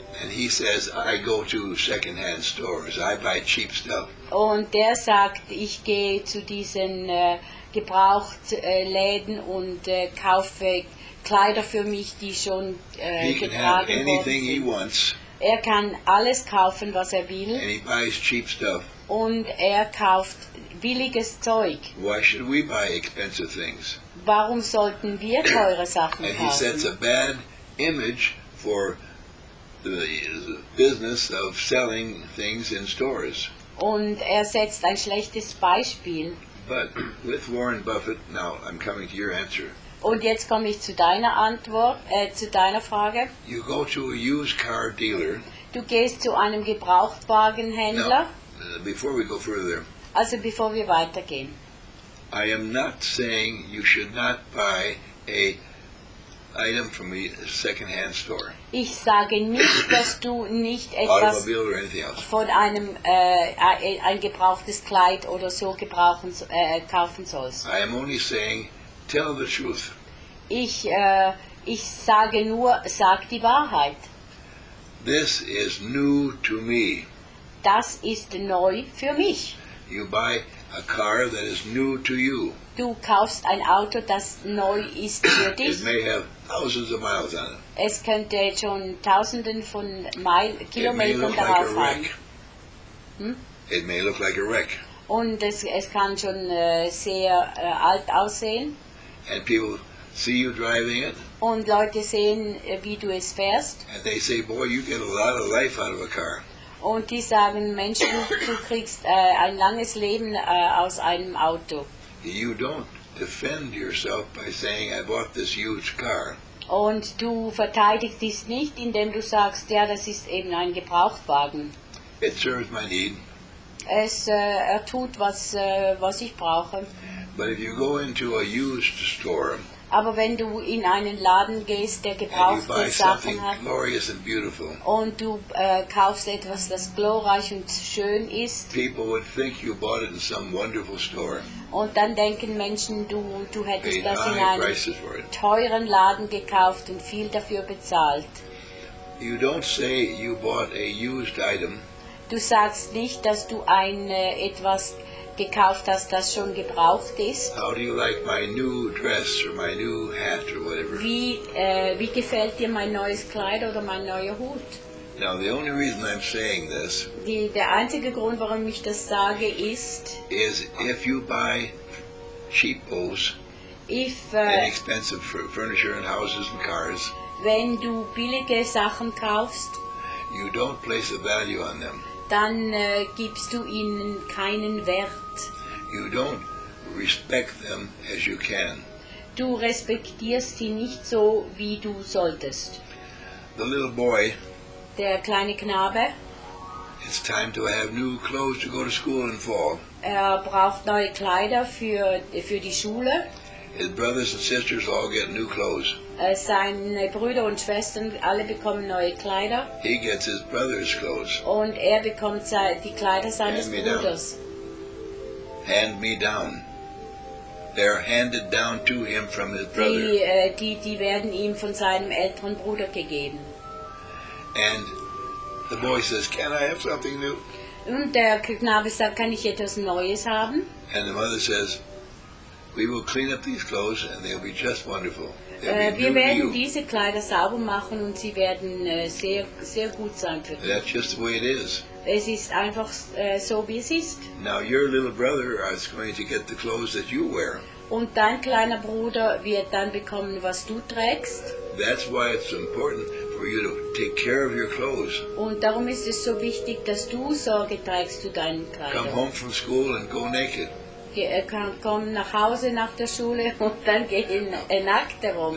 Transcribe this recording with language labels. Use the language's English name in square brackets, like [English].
[English] And he says, I go to second-hand stores. I buy cheap stuff. [German] Und der sagt, ich gehe zu diesen Gebrauchtläden und kaufe Kleider für mich, die schon getragen worden sind. [English] He can have anything he wants. [German] Er kann alles kaufen, was er will. [English] And he buys cheap stuff. [German] Und er kauft billiges Zeug. [English] Why should we buy expensive things? [German] Warum sollten wir teure Sachen [English] and [German] kaufen? [English] And he sets a bad image for the business of selling things in stores. [German] Und er setzt ein schlechtes Beispiel. [English] But with Warren Buffett, now I'm coming to your answer. [German] Und jetzt komme ich zu deiner Antwort, zu deiner Frage. [English] You go to a used car dealer. [German] Du gehst zu einem Gebrauchtwagenhändler. [English] Before we go further. [German] Also bevor wir weitergehen. [English] I am not saying you should not buy a item from a second-hand store. [German] Ich sage nicht, dass du nicht etwas von einem ein gebrauchtes Kleid oder so gebrauchen kaufen sollst. [English] I am only saying, tell the truth. [German] Ich sage nur, sag die Wahrheit. [English] This is new to me. [German] Das ist neu für mich. [English] You buy a car that is new to you. [German] Du kaufst ein Auto, das neu ist für dich. [English] It may have thousands of miles on it. [German] Es könnte schon tausenden von Kilometern darauf haben. [English] It may look like a wreck. It may look like a wreck. [German] Und es kann schon sehr alt aussehen. [English] And people see you driving it. [German] Und Leute sehen, wie du es fährst. [English] And they say, boy, you get a lot of life out of a car. [German] Und die sagen, Mensch, du kriegst ein langes Leben aus einem Auto. [English] You don't defend yourself by saying, I bought this huge car. [German] Und du verteidigst dies nicht, indem du sagst, ja, das ist eben ein Gebrauchtwagen. [English] It serves my need. [German] Es tut, was ich brauche. [English] But if you go into a used store, [German] aber wenn du in einen Laden gehst, der gebrauchte [English] and you buy [German] Sachen hat, [English] glorious and beautiful, [German] und du kaufst etwas, das glorreich und schön ist, [English] people would think you bought it in some wonderful store. [German] Und dann denken Menschen, du hättest das in einem teuren Laden gekauft und viel dafür bezahlt. [English] You don't say you bought a used item. [German] Du sagst nicht, dass du etwas gekauft hast, das schon gebraucht ist. [English] How do you like my new dress or my new hat or whatever? [German] Wie gefällt dir mein neues Kleid oder mein neuer Hut? [English] Now the only reason I'm saying this, [German] der einzige Grund, warum ich das sage, ist, [English] is if you buy cheapos, inexpensive furniture and houses and cars, [German] wenn du billige Sachen kaufst, [English] you don't place a value on them. [German] Dann gibst du ihnen keinen Wert. [English] You don't respect them as you can. [German] Du respektierst sie nicht so, wie du solltest. [English] The little boy. [German] Der kleine Knabe. [English] It's time to have new clothes to go to school in fall. [German] Er braucht neue Kleider für die Schule. [English] His brothers and sisters all get new clothes. [German] Seine Brüder und Schwestern alle bekommen neue Kleider. [English] He gets his brother's clothes. [German] Und er bekommt die Kleider seines Bruders. [English] Hand me down. They're handed down to him from his brother. [German] Die werden ihm von seinem älteren Bruder gegeben. [English] And the boy says, "Can I have something new?" [German] Und der Knabe sagt, kann ich etwas Neues haben? [English] And the mother says, "We will clean up these clothes, and they'll be just wonderful." [German] Wir werden diese Kleider sauber machen und sie werden sehr, sehr gut sein für dich. [English] That's just the way it is. [German] Es ist einfach so, wie es ist. [English] Now your little brother is going to get the clothes that you wear. [German] Und dein kleiner Bruder wird dann bekommen, was du trägst. [English] That's why it's important for you to take care of your clothes. [German] Und darum ist es so wichtig, dass du Sorge trägst zu deinen Kleidern. [English] Come home from school and go naked. [German] Komm nach Hause nach der Schule und dann geh nackt herum.